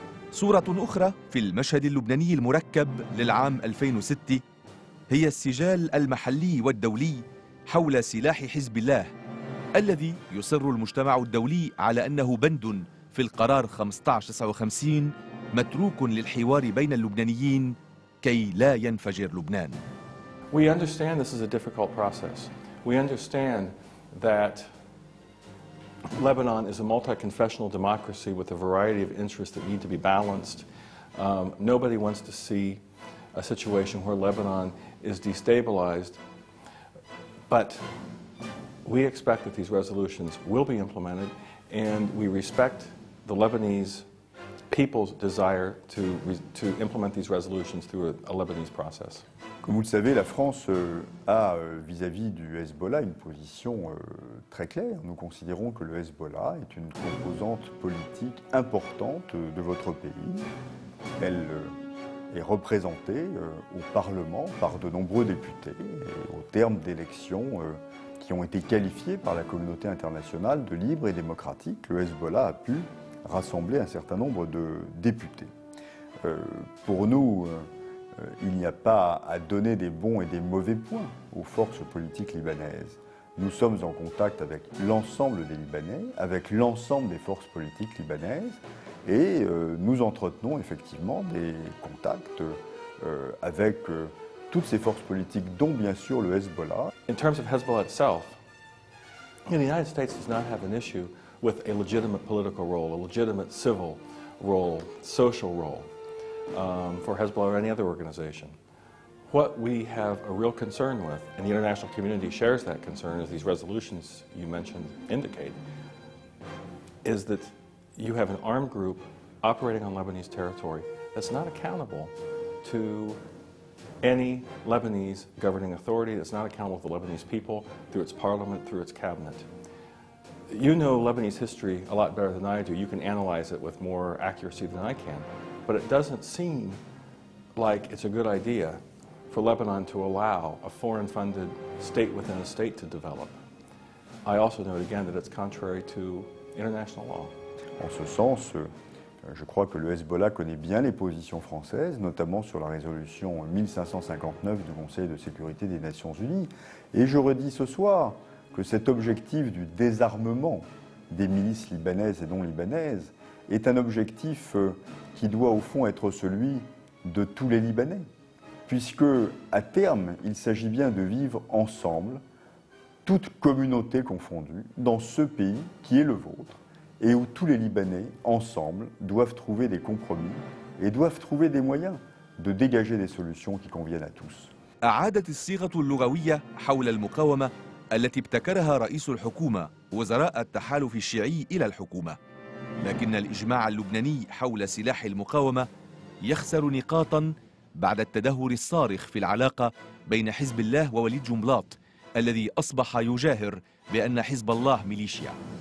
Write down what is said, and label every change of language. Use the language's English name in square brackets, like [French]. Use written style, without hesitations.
[Arabic] صورة أخرى في المشهد اللبناني المركب للعام 2006 هي السجال المحلي والدولي حول سلاح حزب الله الذي يصر المجتمع الدولي على أنه بند في القرار 1559 متروك للحوار بين اللبنانيين كي لا ينفجر لبنان. [English] We understand this is a difficult process. We understand that Lebanon is a multi-confessional democracy with a variety of interests that need to be balanced. Nobody wants to see a situation where Lebanon is destabilized. But we expect that these resolutions will be implemented, and we respect the Lebanese people's desire to implement these resolutions through a Lebanese process. [French] Comme vous le savez, la France a vis-à-vis du Hezbollah une position très claire. Nous considérons que le Hezbollah est une composante politique importante de votre pays. Elle est représentée au Parlement par de nombreux députés au terme d'élections qui ont été qualifiées par la communauté internationale de libres et démocratiques. Le Hezbollah a pu rassembler un certain nombre de députés. Pour nous, il n'y a pas à donner des bons et des mauvais points aux forces politiques libanaises. Nous sommes en contact avec l'ensemble des Libanais, avec l'ensemble des forces politiques libanaises, et nous entretenons effectivement des contacts avec toutes ces forces politiques, dont bien sûr le Hezbollah. [English] In terms of Hezbollah itself, the United States does not have an issue with a legitimate political role, a legitimate civil role, social role for Hezbollah or any other organization. What we have a real concern with, and the international community shares that concern, as these resolutions you mentioned indicate, is that you have an armed group operating on Lebanese territory that's not accountable to any Lebanese governing authority, that's not accountable to the Lebanese people through its parliament, through its cabinet. You know Lebanese history a lot better than I do. You can analyze it with more accuracy than I can. But it doesn't seem like it's a good idea for Lebanon to allow a foreign-funded state within a state to develop. I also note again that it's contrary to international law. [French] En ce sens, je crois que le Hezbollah connaît bien les positions françaises, notamment sur la résolution 1559 du Conseil de sécurité des Nations Unies. Et je redis ce soir que cet objectif du désarmement des milices libanaises et non libanaises est un objectif qui doit au fond être celui de tous les Libanais, puisque à terme, il s'agit bien de vivre ensemble, toute communauté confondue, dans ce pays qui est le vôtre, et où tous les Libanais, ensemble, doivent trouver des compromis et doivent trouver des moyens de dégager des solutions qui conviennent à tous. [Arabic] أعادت الصيغة اللغوية حول المقاومة التي ابتكرها رئيس الحكومة وزراء التحالف الشيعي إلى الحكومة، لكن الإجماع اللبناني حول سلاح المقاومة يخسر نقاطا بعد التدهور الصارخ في العلاقة بين حزب الله ووليد جنبلاط الذي أصبح يجاهر بأن حزب الله ميليشيا.